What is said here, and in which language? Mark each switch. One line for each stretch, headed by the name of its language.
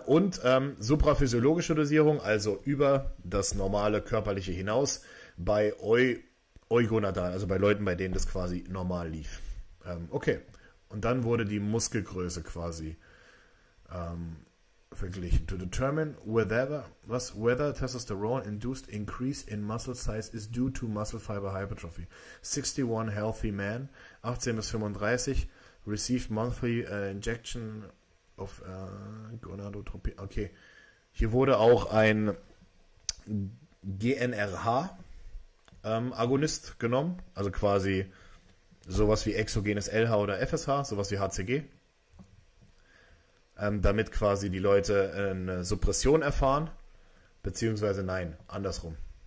German: Und supraphysiologische Dosierung, also über das normale körperliche hinaus, bei Eugonadalen, also bei Leuten, bei denen das quasi normal lief. Okay, und dann wurde die Muskelgröße quasi verglichen.
English: To determine whether testosterone-induced increase in muscle size is due to muscle fiber hypertrophy. 61 healthy man, 18 bis 35, received monthly injection of gonadotropin.
German: Okay, hier wurde auch ein GnRH Agonist genommen, also quasi sowas wie exogenes LH oder FSH, sowas wie HCG, damit quasi die Leute eine Suppression erfahren, beziehungsweise nein, andersrum.